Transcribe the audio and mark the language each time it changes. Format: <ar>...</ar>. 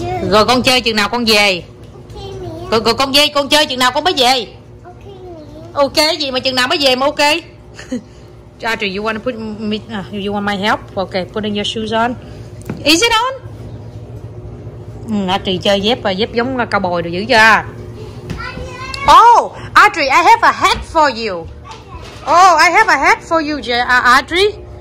<vi>Rồi con chơi chừng nào con về. Rồi con về, con chơi chừng nào con mới về. Ok gì mà chừng nào mới về mà ok.</vi> <en>Audrey, you want to put me, you want my help? Okay, putting your shoes on. Is it on?</en> <vi>Audrey chơi dép giống cao bồi được dữ chưa?</vi> <en>Oh, Audrey, I have a hat for you. Oh, I have a hat for you, Audrey.</en>